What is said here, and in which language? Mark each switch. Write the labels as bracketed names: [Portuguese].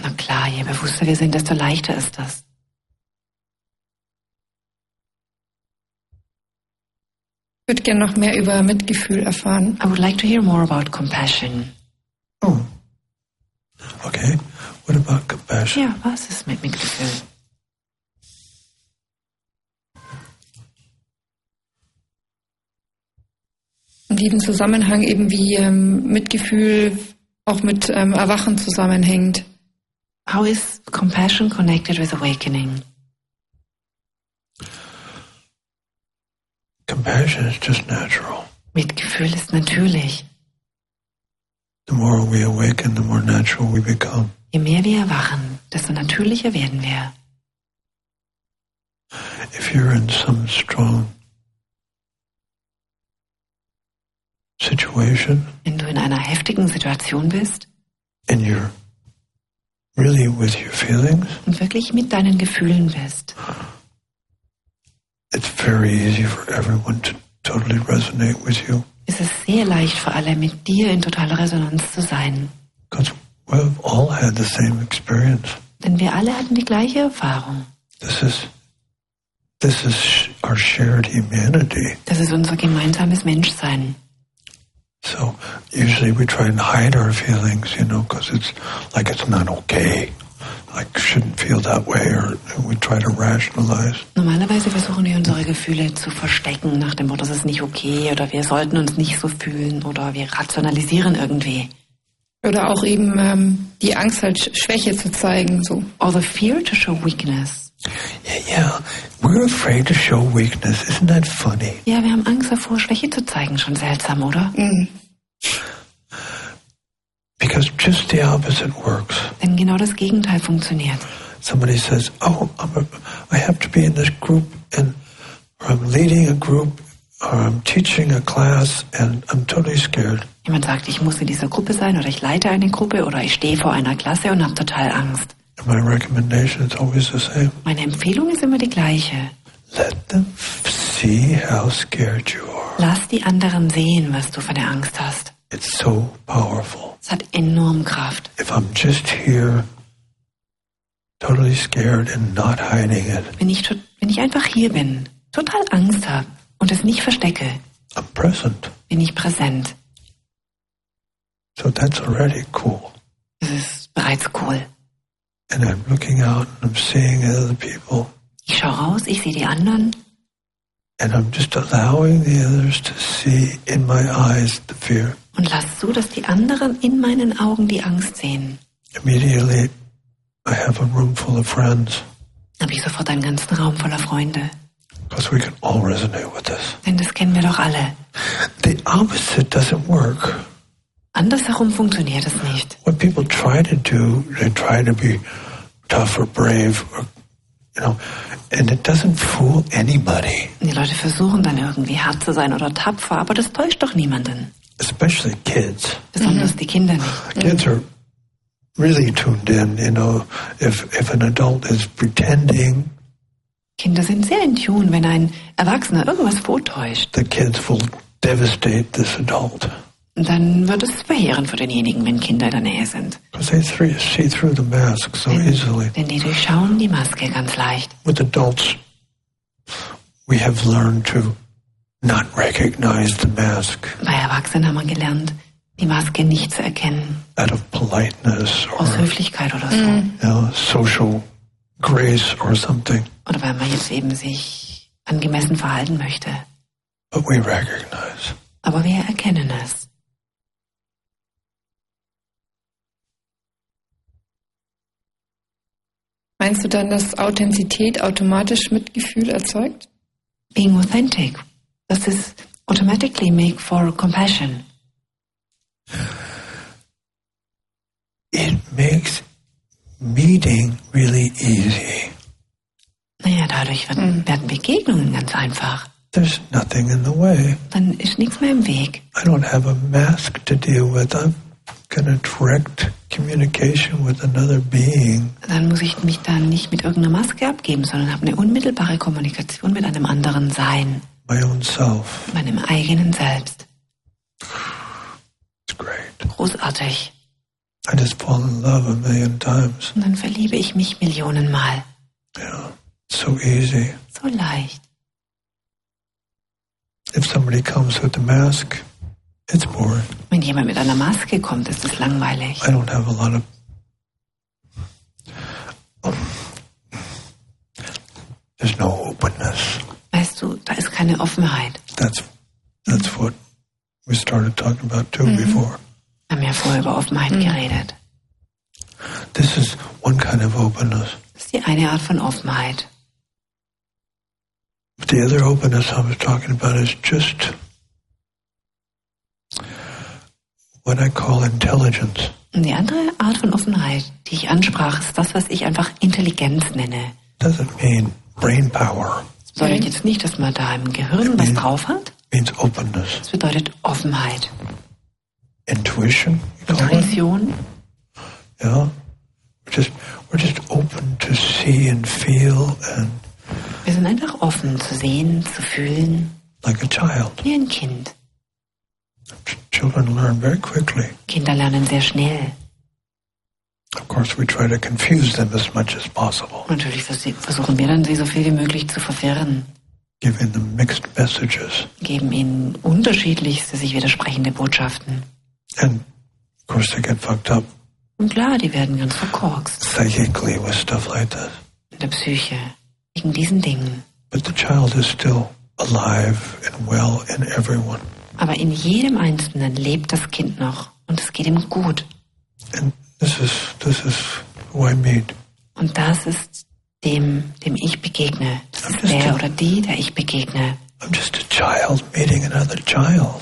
[German] Na klar, je bewusster wir sind, desto leichter ist das. Ich würde gerne noch mehr über Mitgefühl erfahren. [English] I would like to hear more about compassion. Oh. Okay. What about compassion? [German] Ja, was ist mit Mitgefühl? In diesem Zusammenhang eben wie Mitgefühl auch mit Erwachen zusammenhängt. [English] How is compassion connected with awakening? Compassion is just natural. [German] Mitgefühl ist natürlich. [English] The more we awaken, the more natural we become. [German] Je mehr wir erwachen, desto natürlicher werden wir. [English] If you're in some strong situation, [German] wenn du in einer heftigen Situation bist, [English] and you're really with your feelings, [German] und wirklich mit deinen Gefühlen bist, [English] it's very easy for everyone to totally resonate with you. [German] Es ist sehr leicht für alle, mit dir in totaler Resonanz zu sein. [English] Because we've all had the same experience. [German] Denn wir alle hatten die gleiche Erfahrung. [English] This is our shared humanity. [German] Das ist unser gemeinsames Menschsein. [English] So usually we try and hide our feelings, you know, because it's like it's not okay. Like shouldn't feel that way, or we try to rationalize. [German] Normalerweise versuchen wir unsere Gefühle zu verstecken nach dem Motto, es ist nicht okay, oder wir sollten uns nicht so fühlen, oder wir rationalisieren irgendwie. Oder auch eben die Angst halt Schwäche zu zeigen, so. [English] Or the fear to show weakness. Yeah, we're afraid to show weakness. Isn't that funny? [German] Ja, wir haben Angst davor, Schwäche zu zeigen. Schon seltsam, oder? Mm. [English] Because just the opposite works. [German] Denn genau das Gegenteil funktioniert. [English] Somebody says, oh, I have to be in this group, and or I'm leading a group, or I'm teaching a class, and I'm totally scared. [German] Jemand sagt, ich muss in dieser Gruppe sein, oder ich leite eine Gruppe, oder ich stehe vor einer Klasse und habe total Angst. [English] My recommendation is always the same. [German] Meine Empfehlung ist immer die gleiche. [English] Let them see how scared you are. [German] Lass die anderen sehen, was du von der Angst hast. [English] It's so powerful. [German] Es hat enorm Kraft. [English] If I'm just here, totally scared and not hiding it. [German] Wenn ich einfach hier bin, total Angst habe und es nicht verstecke. [English] I'm present. [German] Bin ich präsent. [English] So that's already cool. [German] Das ist bereits cool. [English] And I'm looking out and I'm seeing other people. [German] Ich schaue raus, ich sehe die anderen. [English] And I'm just allowing the others to see in my eyes the fear. [German] Und lass so, dass die anderen in meinen Augen die Angst sehen. [English] Immediately, I have a room full of friends. [German] Habe ich sofort einen ganzen Raum voller Freunde. [English] Because we can all resonate with this. [German] Denn das kennen wir doch alle. [English] The opposite doesn't work. [German] Andersherum funktioniert es nicht. [English] What people try to do, they try to be tough or brave, or, you know, and it doesn't fool anybody. [German] Die Leute versuchen dann irgendwie hart zu sein oder tapfer, aber das täuscht doch niemanden. [English] Especially kids. [German] Besonders die Kinder. [English] Kids are really tuned in, you know, if an adult is pretending. [German] Kinder sind sehr in Tune, wenn ein Erwachsener irgendwas vortäuscht. [English] The kids will devastate this adult. [German] Dann wird es verheerend für denjenigen, wenn Kinder in der Nähe sind. [English] See through the mask so easily. [German] Denn die durchschauen die Maske ganz leicht. [English] With adults, we have learned to not recognize the mask. [German] Bei Erwachsenen haben wir gelernt, die Maske nicht zu erkennen. [English] Out of politeness or [German] aus Höflichkeit oder so. [English] You know, social grace or something. [German] Oder weil man jetzt eben sich angemessen verhalten möchte. [English] But we recognize. [German] Aber wir erkennen es. Meinst du dann, dass Authentizität automatisch Mitgefühl erzeugt? [English] Being authentic. Does this automatically make for compassion? It makes meeting really easy. [German] Naja, dadurch werden Begegnungen ganz einfach. [English] There's nothing in the way. [German] Dann ist nichts mehr im Weg. [English] I don't have a mask to deal with. I'm going to direct communication with another being. [German] Dann muss ich mich dann nicht mit irgendeiner Maske abgeben, sondern habe eine unmittelbare Kommunikation mit einem anderen Sein. [English] My own self. [German] Meinem eigenen Selbst. [English] It's great. [German] Großartig. [English] I just fall in love a million times. [German] Und dann verliebe ich mich Millionen Mal. [English] Yeah. So easy. [German] So leicht. [English] If somebody comes with a mask, it's boring. [German] Wenn jemand mit einer Maske kommt, ist es langweilig. [English] I don't have a lot of... There's no openness. [German] Weißt du, da ist keine Offenheit. [English] That's what we started talking about too before. [German] Wir haben ja vorher über Offenheit geredet. [English] This is one kind of openness. [German] Das ist die eine Art von Offenheit. [English] But the other openness I was talking about is just what I call intelligence. [German] Und die andere Art von Offenheit, die ich ansprach, ist das, was ich einfach Intelligenz nenne. [English] Doesn't mean brain power. [German] Bedeutet jetzt nicht, dass man da im Gehirn was drauf hat. [English] Means openness. [German] Das bedeutet Offenheit. [English] Intuition. [German] Intuition. Ja. [English] We're just open to see and feel and. [German] Wir sind einfach offen zu sehen, zu fühlen. [English] Like a child. [German] Wie ein Kind. [English] Children learn very quickly. [German] Kinder lernen sehr schnell. [English] Of course, we try to confuse them as much as possible. [German] Natürlich versuchen wir dann, sie so viel wie möglich zu verwirren. [English] giving them mixed messages. [German] Geben ihnen unterschiedlichste, sich widersprechende Botschaften. [English] And of course they get fucked up. [German] Und klar, die werden ganz verkorkst. [English] Psychically with stuff like that. [German] In der Psyche, wegen diesen Dingen. [English] But the child is still alive and well in everyone. [German] Aber in jedem Einzelnen lebt das Kind noch und es geht ihm gut. [English] And this is who I meet. [German] Und das ist dem ich begegne. Das ist der oder die, der ich begegne. [English] I'm just a child meeting another child.